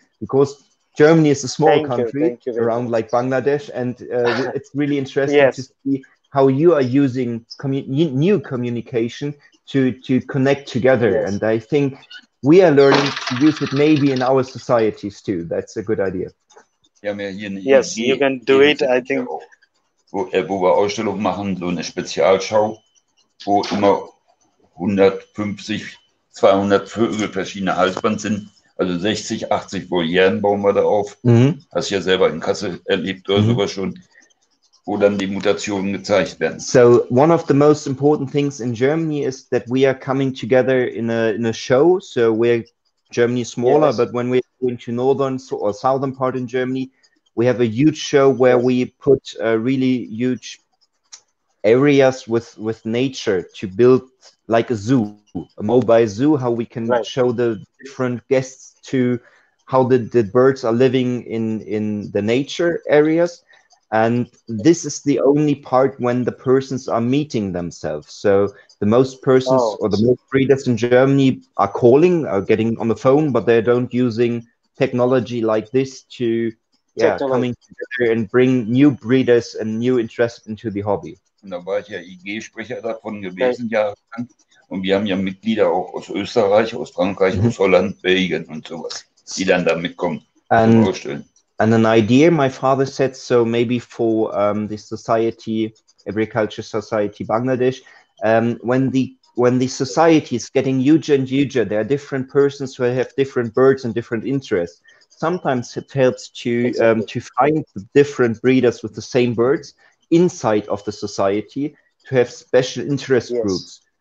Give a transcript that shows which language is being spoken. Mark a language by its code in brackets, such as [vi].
[en] Because Germany is a small country around like Bangladesh, and it's really interesting to see how you are using new communication to connect together. Yes. And I think we are learning to use it maybe in our societies too. That's a good idea. [de] Ja, wir hier eine [en] yes, Idee, you can do in it, I think. [de] Wo wir Ausstellungen machen, so eine Spezialschau, wo immer 150, 200 Vögel verschiedene Halsband sind. Also 60, 80 Volieren bauen wir da auf. Mhm. Hast du ja selber in Kassel erlebt oder sowas schon, wo dann die Mutationen gezeigt werden. [en] So one of the most important things in Germany is that we are coming together in a show. So we're Germany smaller, but when we're going to northern or southern part in Germany, we have a huge show where we put a really huge areas with nature to build like a zoo, a mobile zoo, how we can show the different guests to how the birds are living in the nature areas. And this is the only part when the persons are meeting themselves. So the most persons or the most breeders in Germany are calling, are getting on the phone, but they don't using technology like this to coming together and bring new breeders and new interest into the hobby. [de] Und da war ich ja IG-Sprecher davon gewesen, jahrelang. Und wir haben ja Mitglieder auch aus Österreich, aus Frankreich, aus Holland, Belgien und sowas, die dann da mitkommen und vorstellen. [en] And an idea, my father said, so maybe for the society, Agriculture Society Bangladesh, when the society is getting huger and huger, there are different persons who have different birds and different interests. Sometimes it helps to find different breeders with the same birds inside of the society to have special interest groups.